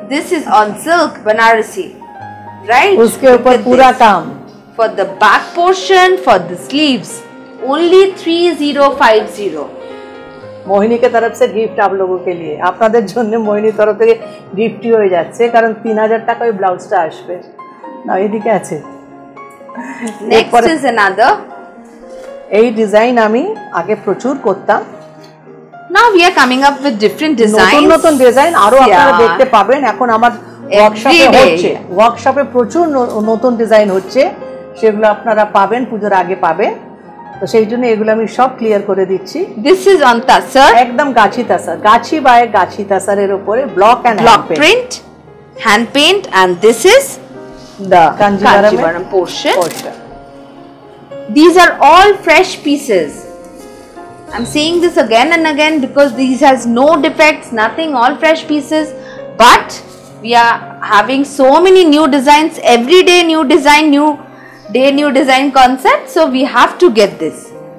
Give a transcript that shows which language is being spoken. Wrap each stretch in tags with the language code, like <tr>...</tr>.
<en>This is on silk Banarasi, right?</en> <hi>उसके ऊपर पूरा काम.</hi> <en>For the back portion, for the sleeves, only 3050.</en> <hi>Mohini के तरफ से गिफ्ट आप लोगों के लिए.</hi> <bn>আপনাদের জন্য মোহিনী তরফ থেকে গিফট হয়ে যাচ্ছে, কারণ 3000 টাকায় ব্লাউজটা আসবে. নাও এদিকে আছে.</bn> <en>Next is another.</en> <bn>এই ডিজাইন আমি আগে প্রচুর করতাম.</bn> <en>Now we are coming up with different designs.</en> <bn>নতুন নতুন ডিজাইন আরো আপনারা দেখতে পাবেন. এখন আমার ওয়ার্কশপে হচ্ছে. ওয়ার্কশপে প্রচুর নতুন ডিজাইন হচ্ছে, সেগুলো আপনারা পাবেন, পূজোর আগে পাবেন. তো সেই জন্য এগুলো আমি সব ক্লিয়ার করে দিচ্ছি.</bn> <en>This is on tassar.</en> <bn>একদম গাছি tassar. Gachhi by Gachhi tassar এর উপরে block end</bn> <en>Block print hand paint and this is but we are having so many new designs every day. New design, new day new design concept, so we have to get this.</en>